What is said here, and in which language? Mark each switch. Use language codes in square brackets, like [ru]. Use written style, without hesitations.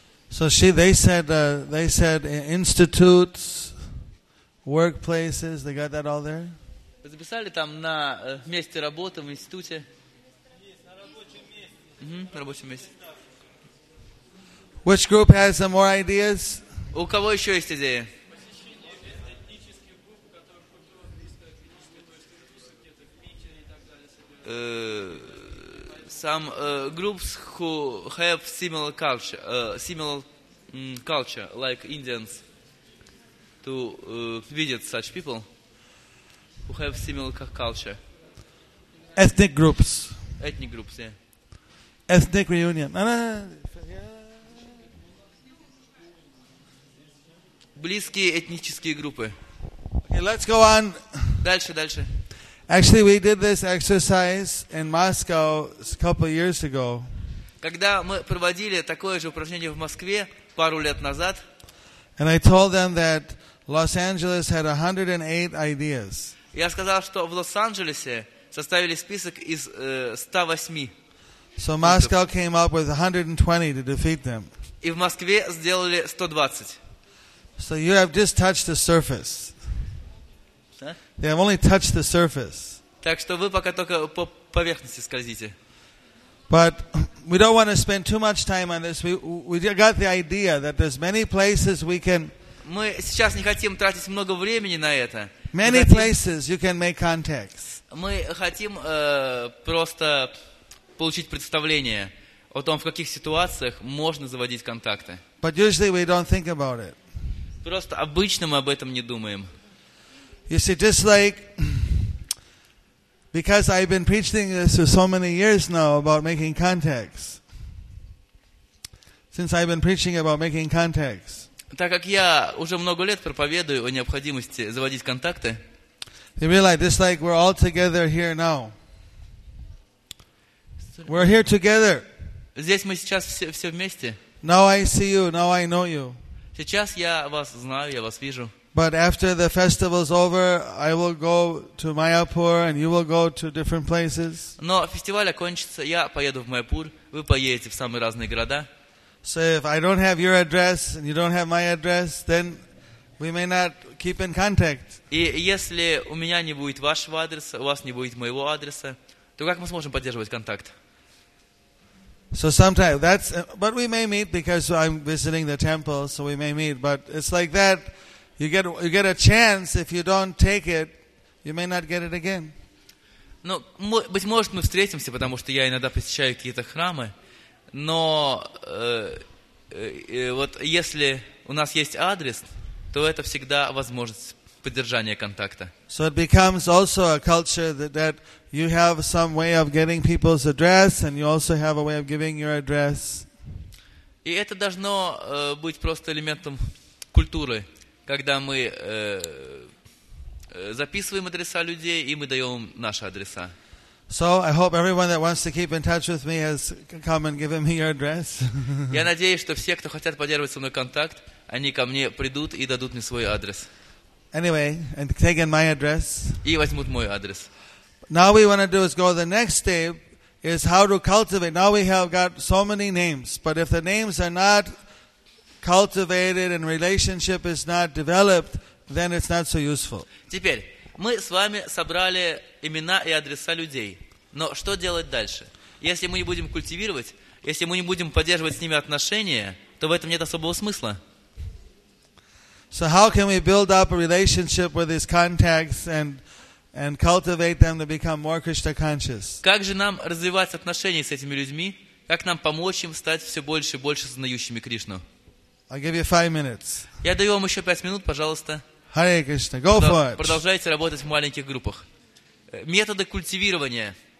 [en] So she, they said institutes, workplaces. They got that all there. [ru] Записали там на месте работы в институте. На рабочем месте. [en] Which group has some more ideas? [ru] У кого еще есть идеи? [en] Some groups who have similar culture, like Indians, to visit such people who have similar culture. Ethnic groups. Ethnic groups, yeah. Ethnic reunion. [ru] Близкие этнические группы. [en] Okay, let's go on. [ru] Дальше. [en] Actually, we did this exercise in Moscow a couple of years ago. [ru] Когда мы проводили такое же упражнение в Москве пару лет назад. [en] And I told them that Los Angeles had 108 ideas. [ru] Я сказал, что в Лос-Анджелесе составили список из 108. [en] So Moscow came up with 120 to defeat them. [ru] И в Москве сделали 120. [en] So you have just touched the surface. They have only touched the surface. [ru] Так что вы пока только по поверхности скользите. [en] But we don't want to spend too much time on this. We got the idea that there's many places we can. [ru] Мы сейчас не хотим тратить много времени на это. [en] Many places you can make contacts. [ru] Мы хотим просто получить представление о том, в каких ситуациях можно заводить контакты. [en] But usually we don't think about it. [ru] Просто обычно мы об этом не думаем. [en] You see, just like because I've been preaching this for so many years now about making contacts. Since I've been preaching about making contacts. [ru] Так как я уже много лет проповедую о необходимости заводить контакты. [en] You realize, just like we're all together here now. We're here together. [ru] Здесь мы сейчас все вместе. [en] Now I see you. Now I know you. [ru] Сейчас я вас знаю, я вас вижу. [en] But after the festival's over, I will go to Mayapur, and you will go to different places. [ru] Но фестиваль окончится, я поеду в Майяпур, вы поедете в самые разные города. [en] So if I don't have your address and you don't have my address, then we may not keep in contact. [ru] И если у меня не будет вашего адреса, у вас не будет моего адреса, то как мы сможем поддерживать контакт? [en] So sometimes that's, but we may meet because I'm visiting the temple, so we may meet. But it's like that. You get a chance. If you don't take it, you may not get it again. [ru] Ну, быть может, мы встретимся, потому что я иногда посещаю какие-то храмы. Но вот если у нас есть адрес, то это всегда возможность поддержания контакта. [en] So it becomes also a culture that you have some way of getting people's address, and you also have a way of giving your address. [ru] И это должно быть просто элементом культуры. Когда мы записываем адреса людей и мы даем наши адреса. [en] So I hope everyone that wants to keep in touch with me has come and given me your address. [ru] Я надеюсь, что все, кто хотят поддерживать со мной контакт, они ко мне придут и дадут мне свой адрес. [en] Anyway, and taking my address. [ru] И возьмут мой адрес. [en] Now we want to do is go the next step is how to cultivate. Now we have got so many names, but if the names are not cultivated and relationship is not developed, then it's not so useful. [ru] Теперь мы с вами собрали имена и адреса людей. Но что делать дальше? Если мы не будем культивировать, если мы не будем поддерживать с ними отношения, то в этом нет особого смысла. [en] So how can we build up a relationship with these contacts and cultivate them to become more Krishna conscious? [ru] Как же нам развивать отношения с этими людьми? Как нам помочь им стать все больше и больше сознающими Кришну? [en] I'll give you 5 minutes. [ru] Я даю вам еще 5 минут, пожалуйста. [en] Hare Krishna, go for it. [ru] Продолжайте работать в маленьких группах. Методы культивирования.